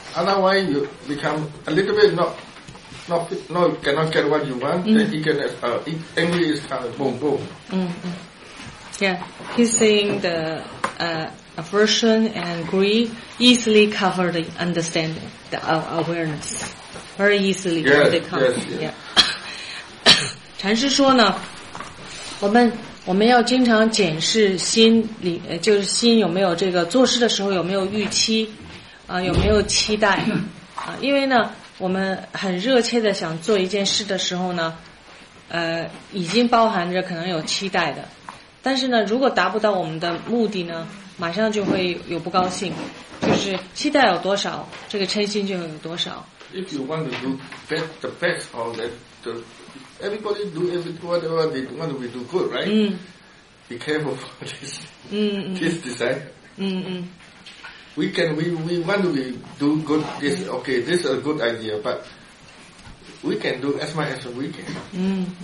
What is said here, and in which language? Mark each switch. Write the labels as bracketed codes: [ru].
[en] Otherwise, you become a little bit not cannot get what you want. The eagerness, angry is coming. Boom, boom. Yeah, he's saying the aversion and greed easily cover the understanding, the awareness. Very easily they come. Yes, yes. Yeah. [zh] 禅师说呢， 我们要经常检视心里，就是心有没有这个做事的时候有没有预期，有没有期待，因为呢，我们很热切的想做一件事的时候呢，已经包含着可能有期待的，但是呢，如果达不到我们的目的呢，马上就会有不高兴，就是期待有多少，这个嗔心就有多少。 [en] If you want to do the best of that, the everybody do whatever they want to do good, right? Mm. Be careful for this. This desire. We can we want to do good. This okay. This is a good idea, but we can do as much as we can.